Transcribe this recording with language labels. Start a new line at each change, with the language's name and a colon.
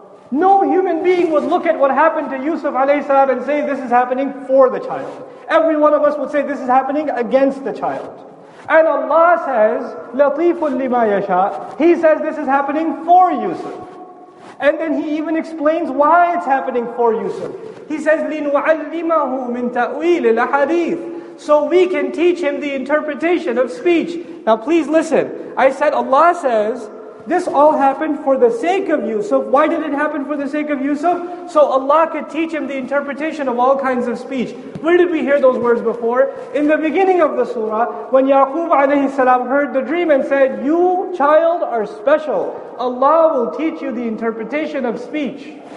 English: No human being would look at what happened to Yusuf alayhi salam and say this is happening for the child. Every one of us would say this is happening against the child. And Allah says,
Arabic: لَطِيفٌ لِمَا يَشَاء.
English: He says this is happening for Yusuf. And then he even explains why it's happening for Yusuf. He says,
Arabic: لِنُعَلِّمَهُ مِنْ تَأْوِيلِ الْحَدِيثِ.
English: So we can teach him the interpretation of speech. Now please listen. I said Allah says, this all happened for the sake of Yusuf. Why did it happen for the sake of Yusuf? So Allah could teach him the interpretation of all kinds of speech. Where did we hear those words before? In the beginning of the surah, when Yaqub alayhi salam heard the dream and said, you child are special. Allah will teach you the interpretation of speech.